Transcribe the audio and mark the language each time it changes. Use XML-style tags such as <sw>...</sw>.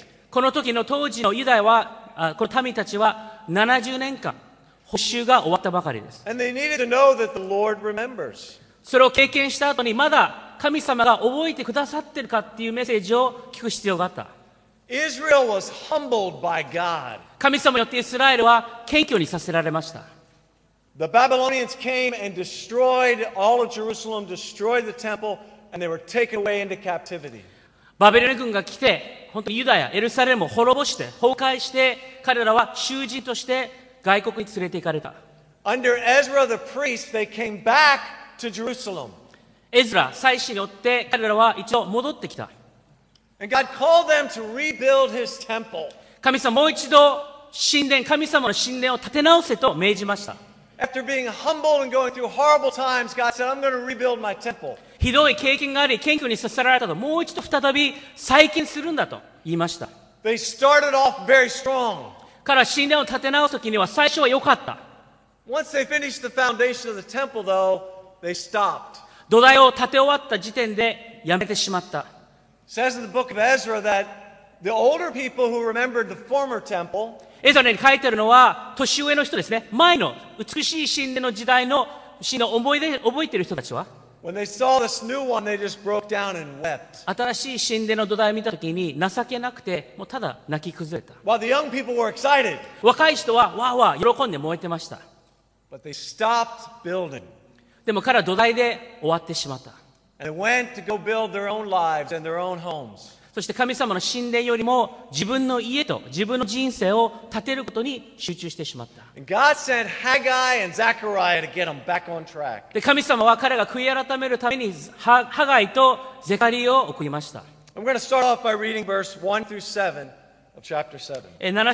<ja>この時の当時のユダヤは、この民たちは70年間、捕囚が終わったばかりです。</ja> <en>And they needed to know that the Lord remembers.</en> <ja>それを経験した後に、まだ神様が覚えてくださってるかっていうメッセージを聞く必要があった。</ja> <en>Israel was humbled by God.</en> <ja>神様によってイスラエルは謙虚にさせられました。</ja> <en>The Babylonians came and destroyed all of Jerusalem, destroyed the temple, and they were taken away into captivity.</en> <ja>バビロン軍が来て、本当ユダヤ、エルサレムを滅ぼして、崩壊して、彼らは囚人として外国に連れて行かれた。</ja> <en>Under Ezra the priest, they came back to Jerusalem.</en> <ja>エズラ、祭司によって彼らは一度戻ってきた。</ja> <en>And God called them to rebuild his temple.</en> <ja>神様もう一度神殿、神様の神殿を建て直せと命じました。</ja> <en>After being humbled and going through horrible times, God said, "I'm going to rebuild my temple."</en> <ja>ひどい経験があり、謙虚にさせられたと、もう一度再び再建するんだと言いました。</ja> <en>They started off very strong.</en> <ja>から神殿を建て直すときには最初は良かった。</ja> <en>Once they finished the foundation of the temple, though, they stopped.</en> <ja>土台を建て終わった時点でやめてしまった。</ja> <en>It says in the book of Ezra that the older people who remembered the former temple.</en> <ja>エザネに書いてるのは年上の人ですね。前の美しい神殿の時代の神殿を覚えている人たちは、新しい神殿の土台を見たときに情けなくて、もうただ泣き崩れた。</ja> <en>While the young people were excited.</en> <ja>若い人はわーわー喜んで燃えてました。</ja> <en>But they stopped building.</en> <ja>でも彼は土台で終わってしまった。</ja> <en>And went to go build their own lives and their own homes.</en> <ja>そして神様の神殿よりも自分の家と自分の人生を建てることに集中してしまった。で、神様は彼が悔い改めるためにハガイとゼカリーを送りました。 7</ja>